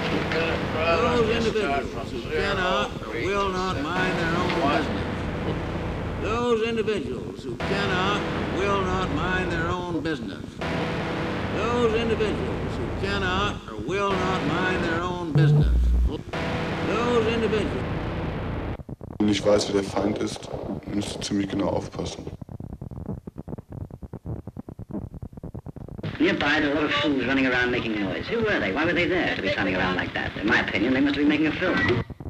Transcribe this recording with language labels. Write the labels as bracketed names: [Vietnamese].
[English] Those individuals who cannot or will not mind their own business. Those individuals who cannot or will not mind their own business. Those individuals who cannot or will not mind their own business. Those individuals. [German] Wenn ich weiß, wer der Feind ist, muss ich ziemlich genau aufpassen. [English] Nearby, there were a lot of fools running around making noise. Who were they? Why were they there to be standing around like that? In my opinion, they must have been making a film.